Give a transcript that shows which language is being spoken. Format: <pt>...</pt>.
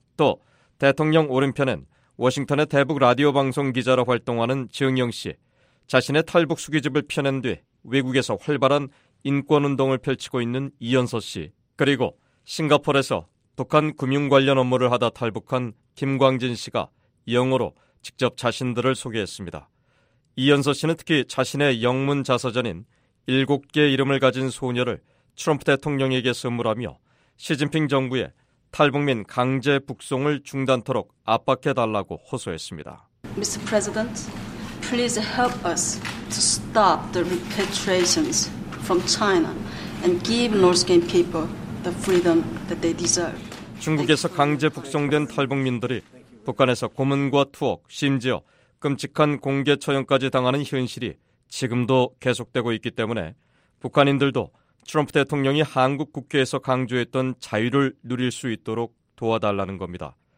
<ko>또 대통령 오른편엔 워싱턴의 대북 라디오 방송 기자로 활동하는 지응영 씨, 자신의 탈북 수기집을 펴낸 뒤 외국에서 활발한 인권운동을 펼치고 있는 이연서 씨, 그리고 싱가포르에서 북한 금융 관련 업무를 하다 탈북한 김광진 씨가 영어로 직접 자신들을 소개했습니다. 이연서 씨는 특히 자신의 영문 자서전인 7개 이름을 가진 소녀를 트럼프 대통령에게 선물하며 시진핑 정부에 탈북민 강제 북송을 중단토록 압박해달라고 호소했습니다.</ko> <en>Mr. President, please help us to stop the repatriations from China and give North Korean people the freedom that they deserve.</en> <ko>중국에서 강제 북송된 탈북민들이 북한에서 고문과 투옥, 심지어 끔찍한 공개 처형까지 당하는 현실이 지금도 계속되고 있기 때문에 북한인들도 트럼프 대통령이 한국 국회에서 강조했던 자유를 누릴 수 있도록 도와달라는 겁니다.</ko>